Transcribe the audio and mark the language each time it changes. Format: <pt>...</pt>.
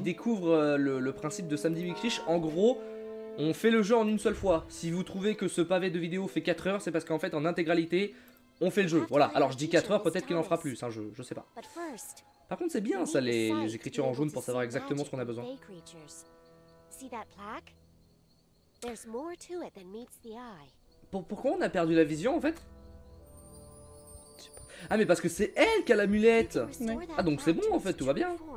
<fr>découvrent le principe de Samedi Big Fish, en gros. On fait le jeu en une seule fois. Si vous trouvez que ce pavé de vidéo fait 4 heures, c'est parce qu'en fait, en intégralité, on fait le jeu. Voilà. Alors, je dis 4 heures, peut-être qu'il en fera plus. Hein, je sais pas. Par contre, c'est bien ça, les écritures en jaune pour savoir exactement ce qu'on a besoin.</fr> <en>See that plaque? There's more to it than meets the eye.</en> <fr>Pourquoi on a perdu la vision en fait? Ah mais parce que c'est elle qui a l'amulette. Ah donc c'est bon en fait, tout va bien.</fr>